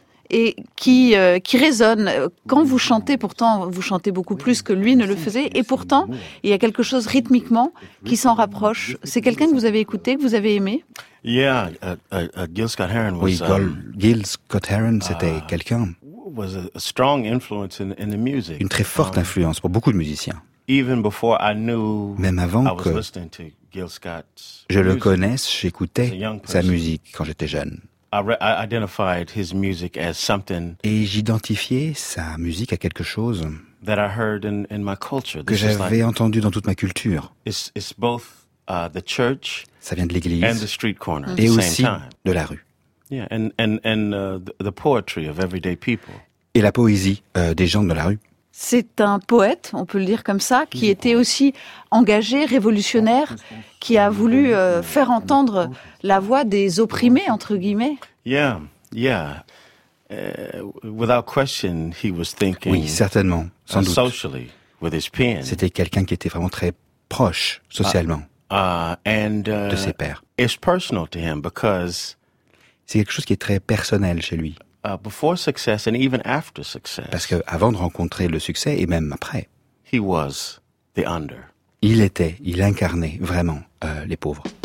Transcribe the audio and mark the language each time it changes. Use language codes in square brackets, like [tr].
[fr] Et qui résonne. Quand vous chantez, pourtant, vous chantez beaucoup plus que lui ne le faisait. Et pourtant, il y a quelque chose rythmiquement qui s'en rapproche. C'est quelqu'un que vous avez écouté, que vous avez aimé? [en] Yeah, Gil Scott Heron was. [fr] Oui, Gil Scott Heron, c'était quelqu'un. [en] Was a strong influence in the music. [fr] Une très forte influence pour beaucoup de musiciens. [en] Even before I knew. [fr] Même avant [en] I was [fr] que. [en] Listening to Gil Scott's [fr] je le connaisse, j'écoutais sa musique quand j'étais jeune. [en] I identified his music as something. [fr] Et j'identifiais sa musique à quelque chose. [en] That I heard in my culture. [fr] Que j'avais entendu dans toute ma culture. [en] It's both. The church, [fr] ça vient de l'église, [en] and the street corner, [fr] et aussi de la rue. [en] Yeah, and the poetry of everyday people. [fr] Et la poésie des gens de la rue. C'est un poète, on peut le dire comme ça, qui était aussi engagé, révolutionnaire, qui a voulu faire entendre la voix des opprimés entre guillemets. [en] Yeah, yeah. Without question, he was thinking. [fr] Oui, certainement, sans doute. [en] Socially, with his pen. [fr] C'était quelqu'un qui était vraiment très proche socialement. De ses pairs. [en] It's personal to him because [fr] C'est quelque chose qui est très personnel chez lui. [en] Before success and even after success. [fr] Parce que avant de rencontrer le succès et même après. [en] He was the under. [fr] Il incarnait vraiment les pauvres.